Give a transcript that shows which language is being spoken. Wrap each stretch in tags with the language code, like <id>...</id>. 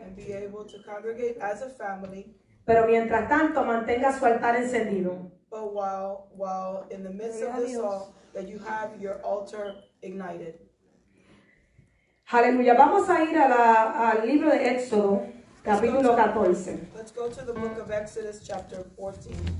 <en>and be able to congregate as a family,</en> <es>pero mientras tanto mantenga su altar encendido.</es> <en>But while in the midst of this all, that you have your altar ignited.</en> <es>Aleluya. Vamos a ir al libro de Éxodo, capítulo 14.</es> <en>Let's go to the book of Exodus, chapter 14.</en>